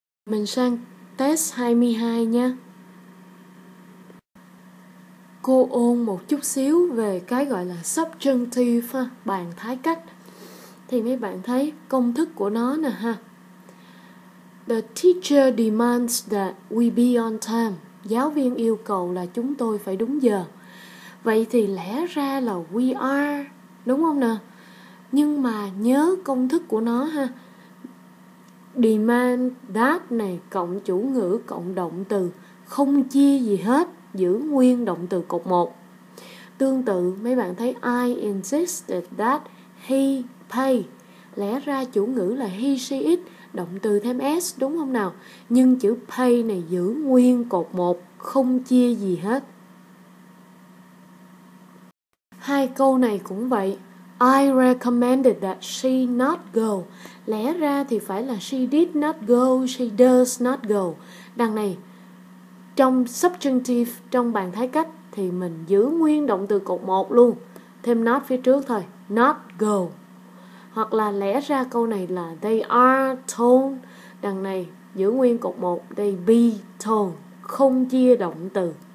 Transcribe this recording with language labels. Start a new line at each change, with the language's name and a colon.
Vietnamese: Mình sang test 22 nha. Cô ôn một chút xíu về cái gọi là subjunctive, bàn thái cách. Thì mấy bạn thấy công thức của nó nè ha.
English: The teacher demands that we be on time.
Vietnamese: Giáo viên yêu cầu là chúng tôi phải đúng giờ. Vậy thì lẽ ra là we are, đúng không nè? Nhưng mà nhớ công thức của nó ha. Demand that này cộng chủ ngữ cộng động từ, không chia gì hết, giữ nguyên động từ cột 1. Tương tự mấy bạn thấy I insisted that he pay. Lẽ ra chủ ngữ là he, she, it, động từ thêm S đúng không nào? Nhưng chữ pay này giữ nguyên cột 1, không chia gì hết. Hai câu này cũng vậy.
English: I recommended that she not go. Lẽ ra thì phải là she did not go, she does not go.
Vietnamese: Đằng này, trong subjunctive, trong bàn thái cách thì mình giữ nguyên động từ cột 1 luôn, thêm not phía trước thôi, not go. Hoặc là lẽ ra câu này là they are told. Đằng này giữ nguyên cột 1, they be told, không chia động từ.